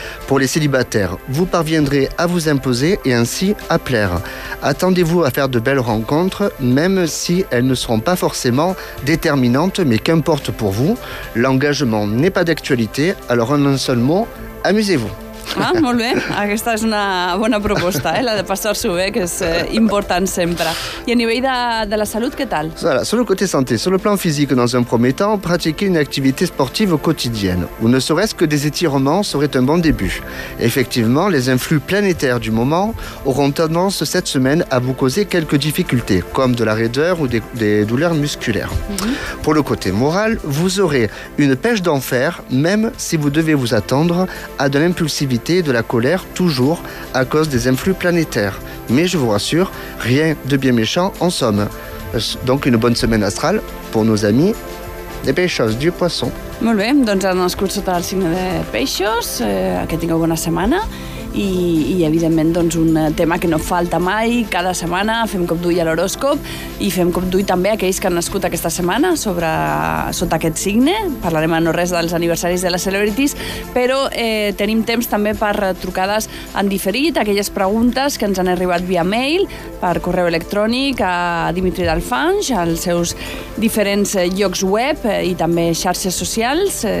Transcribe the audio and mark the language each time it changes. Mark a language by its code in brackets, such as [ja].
[fr] Pour les célibataires, vous parviendrez à vous imposer et ainsi à plaire. Attendez-vous à faire de belles rencontres, même si elles ne seront pas forcément déterminantes, mais qu'importe pour vous, l'engagement n'est pas d'actualité, alors en un seul mot, amusez-vous. [ca] Ah, molt bé, aquesta és una bona proposta, la de passar-s'ho bé, que és important sempre. I a nivell de la salut, què tal? [fr] Voilà, sur le côté santé, sur le plan physique, dans un premier temps, pratiquer une activité sportive quotidienne, ou ne serait-ce que des étirements, serait un bon début. Effectivement, les influx planétaires du moment auront tendance cette semaine à vous causer quelques difficultés, comme de la raideur ou des douleurs musculaires. Mm-hmm. Pour le côté moral, vous aurez une pêche d'enfer, même si vous devez vous attendre à de l'impulsivité, de la colère, toujours à cause des influx planétaires. Mais je vous rassure, rien de bien méchant en somme. Donc une bonne semaine astrale pour nos amis les pêcheurs du poisson. [ca] Molt bé, doncs han nascut sota el signe de peixos, que tingueu bona setmana i evidentment doncs un tema que no falta mai, cada setmana fem cop d'ull a l'horòscop i fem cop d'ull també a aquells que han nascut aquesta setmana sota aquest signe. Parlarem a no res dels aniversaris de les celebrities, però tenim temps també per trucades en diferit, aquelles preguntes que ens han arribat via mail, per correu electrònic a Dimitri Dalfanj, als seus diferents llocs web i també xarxes socials.